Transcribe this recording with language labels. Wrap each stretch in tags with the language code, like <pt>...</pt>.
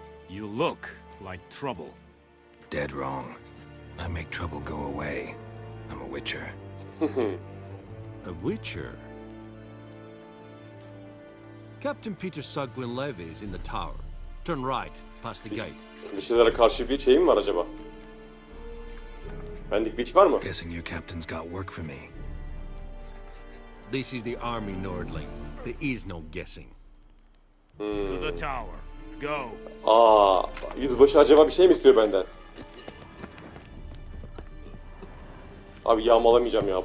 <en>You look like trouble. Dead wrong. I make trouble go away. I'm a witcher. A witcher? Captain Peter Sugwin Levy is in the tower. Turn right, past the gate.</en> <tr>Witcher'lara karşı bir şeyim var acaba? Bendik bir şey var mı?</tr> <en>Guessing your captain's got work for me. This is the army, Nordling. There is no guessing. To the tower. Go.</en> <tr>Aa, yüzbaşı acaba bir şey mi istiyor benden? Abi yağmalamayacağım ya.</tr>